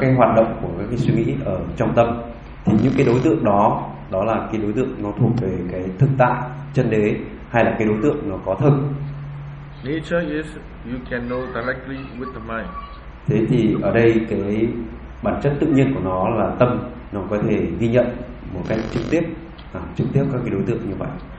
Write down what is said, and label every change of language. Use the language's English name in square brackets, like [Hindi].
[Vietnamese] Cái hoạt động của cái suy nghĩ ở trong tâm, thì những cái đối tượng đó, đó là cái đối tượng nó thuộc về cái thực tại chân đế hay là cái đối tượng nó có thực. [English] Nature is you can know directly with the mind. [Vietnamese] Thế thì ở đây cái bản chất tự nhiên của nó là tâm, nó có thể ghi nhận một cách trực tiếp các cái đối tượng như vậy.